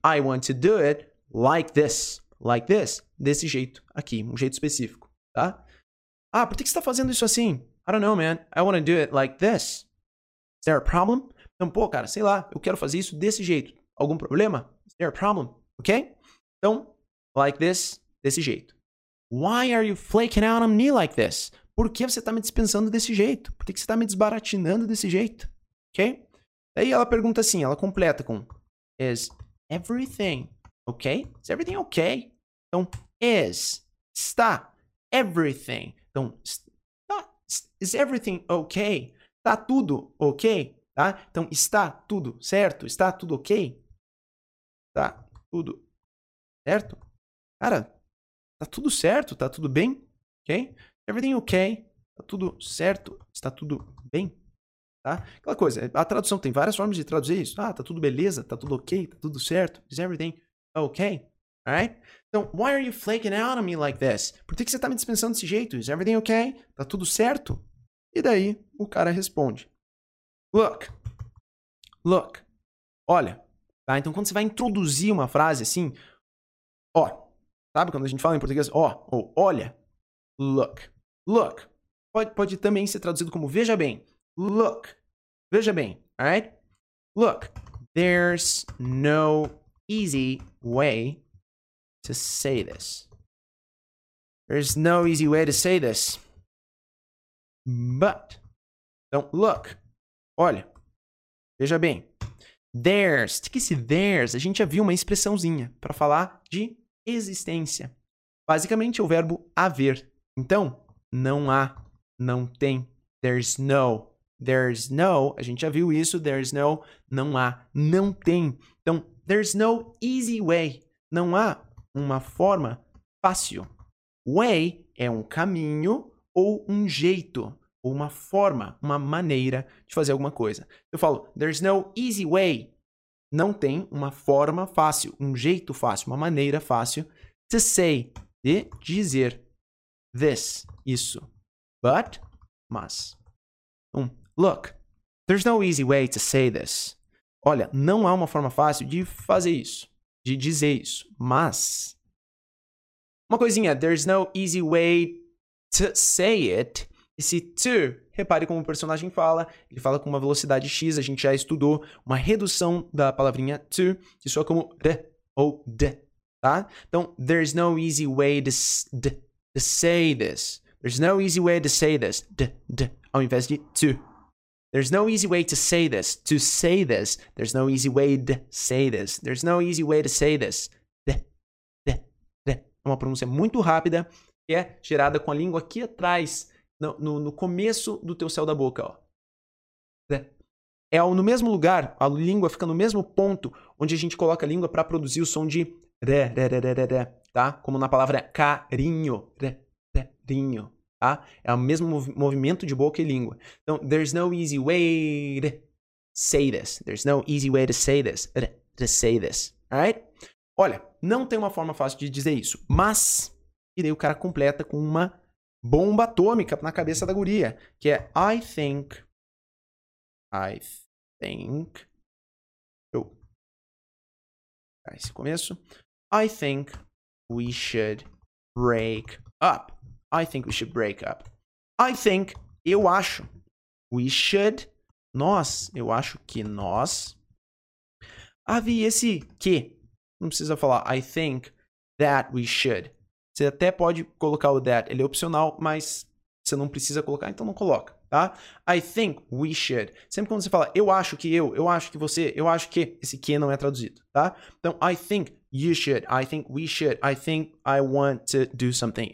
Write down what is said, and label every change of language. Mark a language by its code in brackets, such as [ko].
[en] I want to do it like this. Like this. [pt] Desse jeito aqui. Um jeito específico, tá? Ah, por que você está fazendo isso assim? [en] I don't know, man. I want to do it like this. Is there a problem? [pt] Então, pô, cara, sei lá. Eu quero fazer isso desse jeito. Algum problema? [en] Is there a problem? Ok? [pt] Então, [en] like this, [pt] desse jeito. [en] Why are you flaking out on me like this? [pt] Por que você está me dispensando desse jeito? Por que você está me desbaratinando desse jeito? Ok? Daí ela pergunta assim, ela completa com [en] is everything ok? Is everything ok? [pt] Então, is, está, everything. Então, [en] is everything ok? [pt] Está tudo ok? Tá? Então, está tudo certo? Está tudo ok? Está tudo certo? Cara, está tudo certo? Está tudo bem? Ok? [en] Everything ok? [pt] Está tudo certo? Está tudo bem? Tá? Aquela coisa, a tradução tem várias formas de traduzir isso. Ah, está tudo beleza? Está tudo ok? Está tudo certo? [en] Is everything ok? Alright? [pt] Então, [en] why are you flaking out on me like this? [pt] Por que você está me dispensando desse jeito? [en] Is everything ok? [pt] Está tudo certo? E daí, o cara responde. [en] Look. Look. [pt] Olha. Tá? Então, quando você vai introduzir uma frase assim, ó. Sabe quando a gente fala em português, ó, ou olha. [en] Look. Look. [pt] Pode também ser traduzido como veja bem. [en] Look. [pt] Veja bem. [en] Alright? Look. There's no easy way to say this. There's no easy way to say this. But. [pt] Então, [en] look. [pt] Olha, veja bem, there's, o que esse there's? A gente já viu uma expressãozinha para falar de existência. Basicamente, é o verbo haver. Então, não há, não tem, [en] there's no, [pt] a gente já viu isso, there's no, não há, não tem. Então, [en] there's no easy way, [pt] não há uma forma fácil. Way é um caminho ou um jeito. Ou uma forma, uma maneira de fazer alguma coisa. Eu falo, [en] there's no easy way. [pt] Não tem uma forma fácil, um jeito fácil, uma maneira fácil [en] to say, [pt] de dizer [en] this, [pt] isso. [en] But, [pt] mas. [en] Look, there's no easy way to say this. [pt] Olha, não há uma forma fácil de fazer isso, de dizer isso. Mas, uma coisinha, [en] there's no easy way to say it. [pt] Esse to, repare como o personagem fala. Ele fala com uma velocidade X. A gente já estudou uma redução da palavrinha to, que soa como de ou de, tá? [en] Então, there's no easy way to say this. There's no easy way to say this. [pt] De, ao invés de to. [en] There's no easy way to say this. To say this. There's no easy way to say this. There's no easy way to say this. [pt] De. É uma pronúncia muito rápida, que é gerada com a língua aqui atrás. No começo do teu céu da boca, ó. É no mesmo lugar, a língua fica no mesmo ponto onde a gente coloca a língua para produzir o som de re, re, re, re, re, tá? Como na palavra carinho, re, re, rinho, tá? É o mesmo movimento de boca e língua. [en] Então, there's no easy way to say this. There's no easy way to say this. To say this, alright? [pt] Olha, não tem uma forma fácil de dizer isso, mas... E daí o cara completa com uma... bomba atômica na cabeça da guria, que é I think, eu, esse começo, [en] I think we should break up, [pt] I think, eu acho, we should, nós, eu acho que nós, havia esse que, não precisa falar, [en] I think that we should. [pt] Você até pode colocar o that, ele é opcional, mas você não precisa colocar, então não coloca, tá? [en] I think we should. [pt] Sempre quando você fala, eu acho que você, eu acho que, esse que não é traduzido, tá? Então, [en] I think you should, I think we should, I think I want to do something.